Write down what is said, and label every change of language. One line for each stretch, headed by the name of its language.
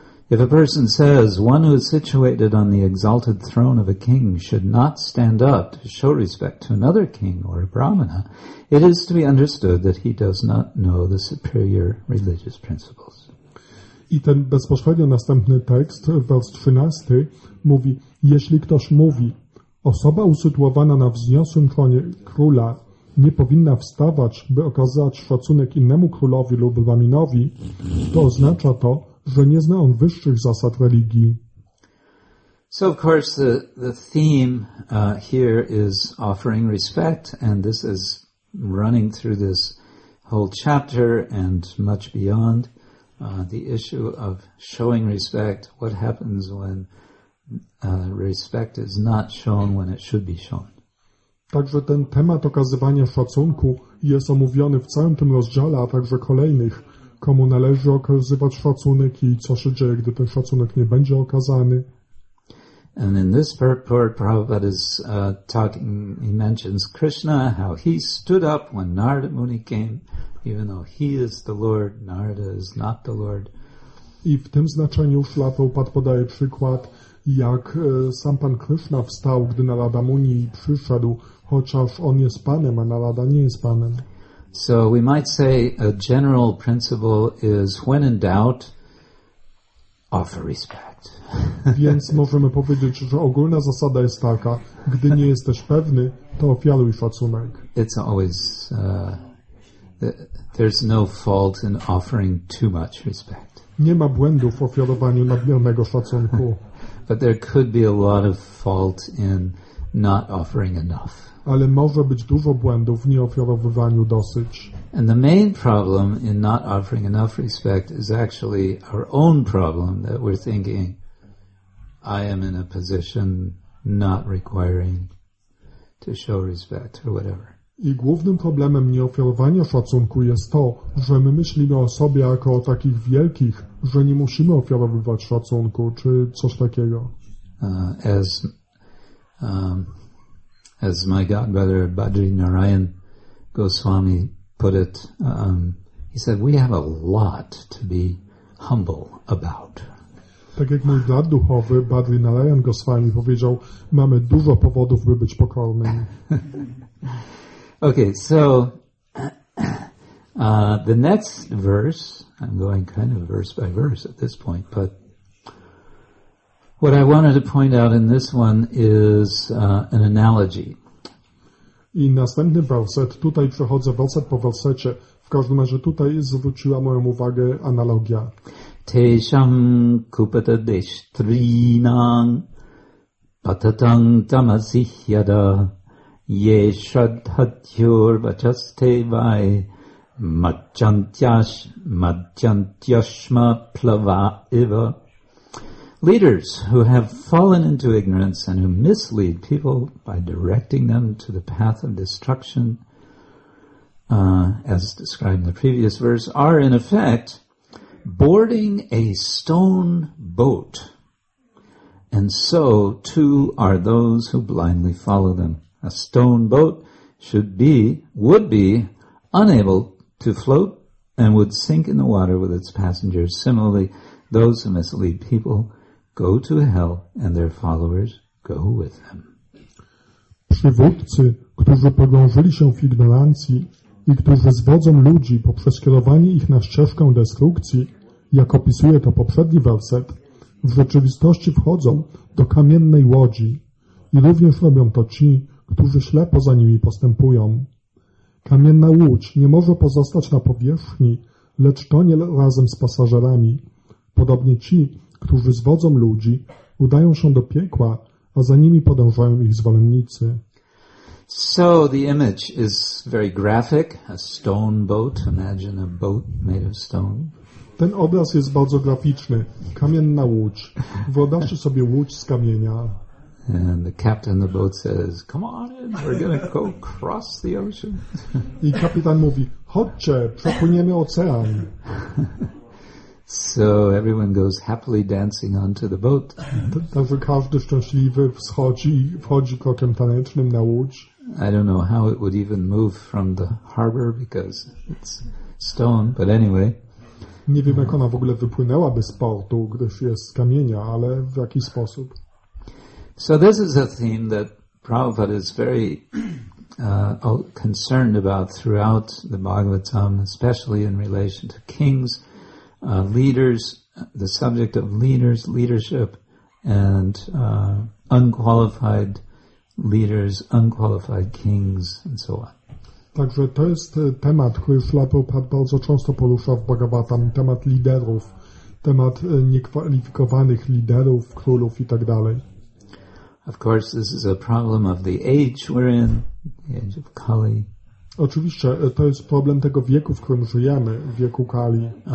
English: If a person says, one who is situated on the exalted throne of a king should not stand up to show respect to another king or a brahmana, it is to be understood that he does not know the superior religious principles.
Polish: I ten bezpośrednio następny tekst, wers 13, mówi, jeśli ktoś mówi, osoba usytuowana na wzniosłym tronie króla nie powinna wstawać, by okazać szacunek innemu królowi lub braminowi, to oznacza to, że nie zna on wyższych zasad religii.
English: So of course the theme here is offering respect, and this is running through this whole chapter and much beyond, the issue of showing respect. What happens when respect is not shown when it should be shown?
Polish: Także ten temat okazywania szacunku jest omówiony w całym tym rozdziale, a także kolejnych. Komu należy okazywać szacunek i co się dzieje, gdy ten szacunek nie będzie okazany.
English: And in this purport, Prabhupada is talking, he mentions Krishna, how he stood up when Narada Muni came, even though he is the Lord, Narada is not the Lord.
Polish: I w tym znaczeniu Śrila Prabhupada podaje przykład, jak sam Pan Krishna wstał, gdy Narada Muni przyszedł, chociaż on jest Panem, a Narada nie jest Panem.
English: So we might say a general principle is when in doubt, offer respect.
Polish: Więc możemy powiedzieć, że ogólna zasada jest taka, gdy nie jesteś pewny, to ofiaruj szacunek.
English: It's always, there's no fault in offering too much respect.
Polish: Nie ma błędu w ofiarowaniu nadmiernego szacunku.
English: But there could be a lot of fault in not offering enough.
Polish: Ale może być dużo błędów w nieofiarowywaniu dosyć.
English: And the main problem in not offering enough respect is actually our own problem that we're thinking, I am in a position not requiring to show respect or whatever.
Polish: I głównym problemem nieofiarowania szacunku jest to, że my myślimy o sobie jako o takich wielkich, że nie musimy ofiarowywać szacunku czy coś takiego.
English: As as my godbrother Badri Narayan Goswami put it, he said, we have a lot to be humble about.
Polish: Tak jak mój brat duchowy Badri Narayan Goswami powiedział, mamy dużo powodów, by być pokornym.
English: Okay, so the next verse, I'm going kind of verse by verse at this point, but what I wanted to point out in this one is an analogy.
Polish: I następny werset, tutaj przechodzę werset po wersecie, w każdym razie tutaj zwróciła moją uwagę analogia.
Sanskrit: Tesham kupata deshtrinam patatam tamasihyada ye shraddhatyur vachaste vai madhyantyashma plava iva.
English: Leaders who have fallen into ignorance and who mislead people by directing them to the path of destruction, as described in the previous verse, are in effect boarding a stone boat. And so too are those who blindly follow them. A stone boat would be unable to float and would sink in the water with its passengers. Similarly, those who mislead people go to hell, and their followers go with them.
Polish: Przywódcy, którzy pogrążyli się w ignorancji i którzy zwodzą ludzi poprzez kierowanie ich na ścieżkę destrukcji, jak opisuje to poprzedni werset, w rzeczywistości wchodzą do kamiennej łodzi i również robią to ci, którzy ślepo za nimi postępują. Kamienna łódź nie może pozostać na powierzchni, lecz tonie razem z pasażerami. Podobnie ci, którzy zwodzą ludzi, udają się do piekła, a za nimi podążają ich zwolennicy.
English: So the image is very graphic, a stone boat. Imagine a boat made of stone.
Polish: Ten obraz jest bardzo graficzny. Kamienna łódź. Wyobraźcie sobie łódź z kamienia.
English: And the captain of the boat says, come on in, we're going to go cross the ocean.
Polish: I kapitan mówi, chodźcie, przepłyniemy ocean.
English: So everyone goes happily dancing onto the boat.
Polish: Także każdy szczęśliwy wchodzi krokiem tanecznym na łódź.
English: I don't know how it would even move from the harbor because it's stone, but anyway.
Polish: Nie wiem, jak ona w ogóle wypłynęłaby z portu, gdyż jest z kamienia, ale w jaki sposób.
English: So this is a theme that Prabhupada is very concerned about throughout the Bhagavatam, especially in relation to kings. Leaders, the subject of leaders, leadership, and unqualified leaders, unqualified kings, and so on.
Polish: Także to jest temat, który Śrila Prabhupada bardzo często porusza w Bhagavatam, temat liderów, temat niekwalifikowanych liderów, królów i tak dalej.
English: Of course, this is a problem of the age we're in, the age of Kali.
Polish: Oczywiście, to jest problem tego wieku, w którym żyjemy, wieku Kali.